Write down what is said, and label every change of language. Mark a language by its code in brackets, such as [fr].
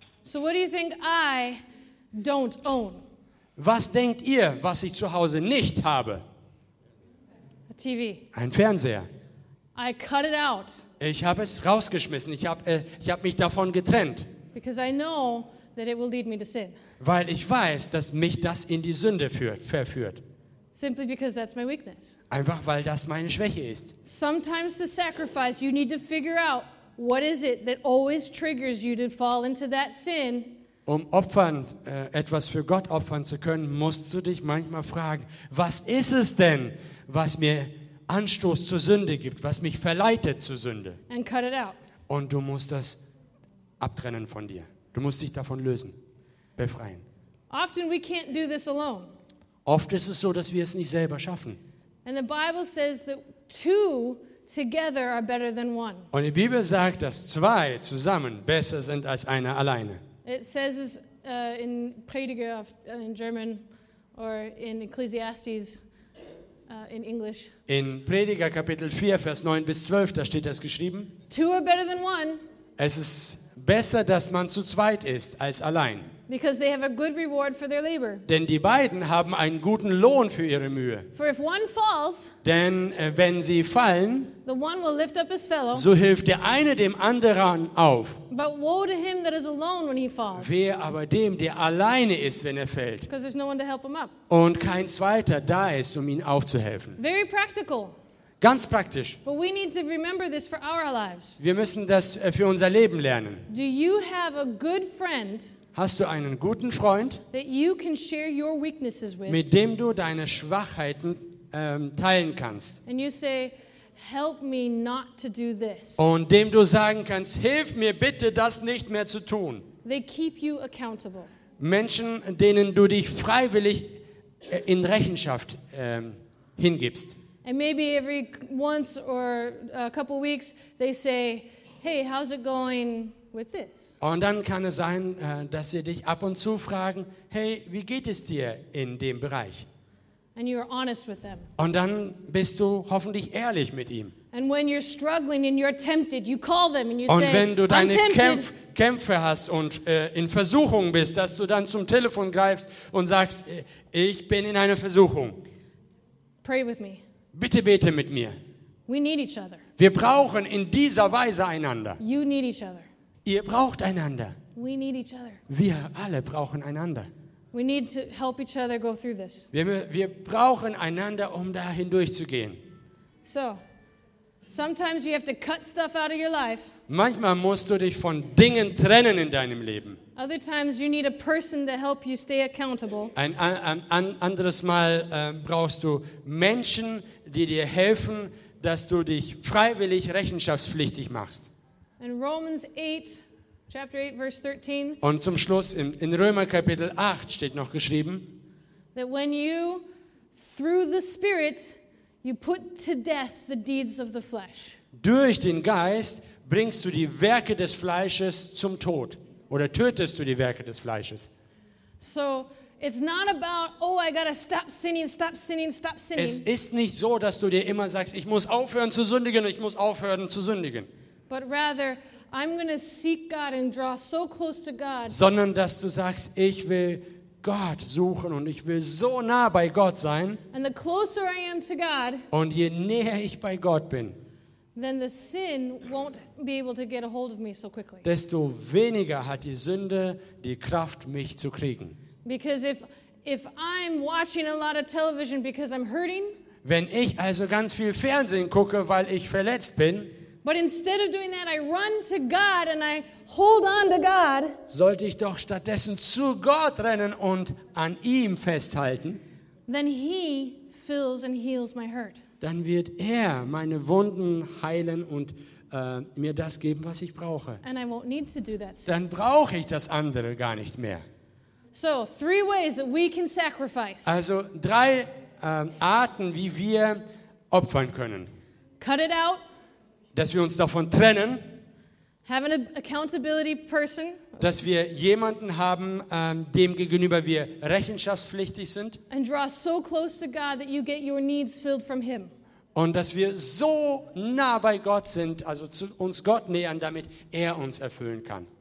[en] So what do you think I don't own? [de] Was denkt ihr, was ich zu Hause nicht habe? [en] A TV. [de] Ein Fernseher. [en] I cut it out. [de] Ich habe es rausgeschmissen. Ich habe mich davon getrennt. [en] Because I know that it will lead me to sin. [de] Weil ich weiß, dass mich das in die Sünde verführt. [en] Simply because that's my weakness. [de] Einfach weil das meine Schwäche ist. [en] Sometimes the sacrifice you need to figure out what is it that always triggers you to fall into that sin. [de] Um opfern, etwas für Gott opfern zu können, musst du dich manchmal fragen, was ist es denn, was mir Anstoß zur Sünde gibt, was mich verleitet zur Sünde? [en] And cut it out. [de] Und du musst das abtrennen von dir. Du musst dich davon lösen, befreien. [en] Often we can't do this alone. [de] Oft ist es so, dass wir es nicht selber schaffen. [en] And the Bible says that two together are better than one. [de] Und die Bibel sagt, dass zwei zusammen besser sind als einer alleine. [en] It says in Prediger in German or in Ecclesiastes in English. [de] In Prediger Kapitel 4 Vers 9 bis 12 da steht das geschrieben. [en] Two are better than one. [de] Es ist besser, dass man zu zweit ist als allein. [en] Because they have a good reward for their labor. [de] Denn die beiden haben einen guten Lohn für ihre Mühe. [en] For if one falls, [de] denn wenn sie fallen, [en] the one will lift up his fellow. [de] So hilft der eine dem anderen auf. [en] But woe to him that is alone when he falls. [de] Wehe aber dem, der alleine ist, wenn er fällt. [en] Because there's no one to help him up. [de] Und kein zweiter da ist, um ihn aufzuhelfen. [en] Very practical. [de] Ganz praktisch. [en] But we need to remember this for our lives. [de] Wir müssen das für unser Leben lernen. [en] Do you have a good friend? [de] Hast du einen guten Freund, [en] that you can share your weaknesses with, [de] mit dem du deine Schwachheiten teilen kannst? [en] And you say, help me not to do this. [de] Und dem du sagen kannst, hilf mir bitte, das nicht mehr zu tun. [en] They keep you accountable. [de] Menschen, denen du dich freiwillig in Rechenschaft hingibst. [en] And maybe every once or a couple weeks, they say, hey, how's it going with this? [de] Und dann kann es sein, dass sie dich ab und zu fragen, hey, wie geht es dir in dem Bereich? [en] And you're honest with them. [de] Und dann bist du hoffentlich ehrlich mit ihm. [en] And when you're struggling and you're tempted, you call them and you [de] und [en] say, [de] wenn du deine Kämpfe hast und in Versuchung bist, dass du dann zum Telefon greifst und sagst, ich bin in einer Versuchung. [en] Pray with me. [de] Bitte bete mit mir. [en] We need each other. [de] Wir brauchen in dieser Weise einander. [en] You need each other. [de] Ihr braucht einander. [en] We need each other. [de] Wir alle brauchen einander. [en] We need to help each other go through this. [de] Wir brauchen einander, um da hindurchzugehen. [en] So, sometimes you have to cut stuff out of your life. [de] Manchmal musst du dich von Dingen trennen in deinem Leben. [en] Other times you need a person to help you stay accountable. [de] Ein anderes Mal brauchst du Menschen, die dir helfen, dass du dich freiwillig rechenschaftspflichtig machst. [en] In Romans 8, chapter 8, verse 13. [de] Und zum Schluss in Römer Kapitel 8 steht noch geschrieben, [en] that when you through the Spirit you put to death the deeds of the flesh. [de] Durch den Geist bringst du die Werke des Fleisches zum Tod oder tötest du die Werke des Fleisches. [en] So it's not about, oh, I gotta stop sinning, stop sinning, stop sinning. [de] Es ist nicht so, dass du dir immer sagst, ich muss aufhören zu sündigen, ich muss aufhören zu sündigen. [en] But rather, I'm going to seek God and draw so close to God. [de] Sondern dass du sagst, ich will Gott suchen und ich will so nah bei Gott sein. [en] And the closer I am to God, [de] und je näher ich bei Gott bin, [en] then the sin won't be able to get a hold of me so quickly. [de] Desto weniger hat die Sünde die Kraft, mich zu kriegen. [en] Because if I'm watching a lot of television because I'm hurting, [de] wenn ich also ganz viel Fernsehen gucke, weil ich verletzt bin. [en] But instead of doing that, I run to God and I hold on to God. [de] Sollte ich doch stattdessen zu Gott rennen und an ihm festhalten? [en] Then he fills and heals my hurt. [de] Dann wird er meine Wunden heilen und mir das geben, was ich brauche. [en] And I won't need to do that. [de] Dann brauche ich das andere gar nicht mehr. [en] So, three ways that we can sacrifice. [de] Also drei Arten, wie wir opfern können. [en] Cut it out. [de] Dass wir uns davon trennen, [en] have an accountability person. [de] Dass wir jemanden haben, dem gegenüber wir rechenschaftspflichtig sind. [en] And draw so close to God that you get your needs filled from Him. [de] Und dass wir so nah bei Gott sind, also zu uns Gott nähern, damit er uns erfüllen kann.